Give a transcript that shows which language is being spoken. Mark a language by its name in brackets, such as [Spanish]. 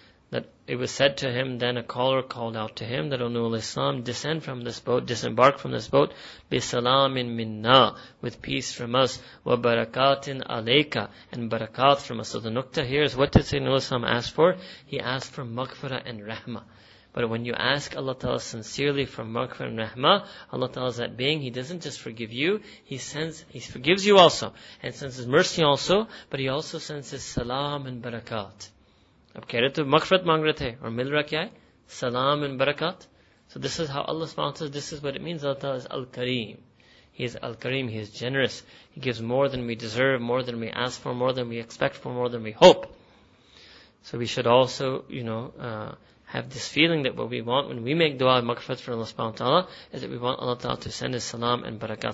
[English] That it was said to him, then a caller called out to him, that O Nuh alayhi salam, descend from this boat, disembark from this boat, [Arabic] bisalamin minna, [English] with peace from us, [Arabic] wa barakatin alayka, [English] and barakat from us. So the nukta here is, what did Sayyidina Nuh alayhi salam ask for? He asked for maghfirah and rahmah. But when you ask Allah Ta'ala sincerely for maghfirah and rahmah, Allah Ta'ala is that being, He doesn't just forgive you, He forgives you also, and sends His mercy also, but He also sends His salam and barakat. [Urdu] اب کہہ رہے تو مغفرت مانگ رہے تھے، اور مل رہا کیا ہے؟ [English] Salam and barakat. So this is how Allah sponsors, this is what it means. Allah Ta'ala is Al-Kareem. He is Al-Kareem, He is generous. He gives more than we deserve, more than we ask for, more than we expect for, more than we hope. So we should also, have this feeling that what we want when we make dua and maghfirat for Allah subhanahu wa ta'ala is that we want Allah Ta'ala to send His salam and barakat.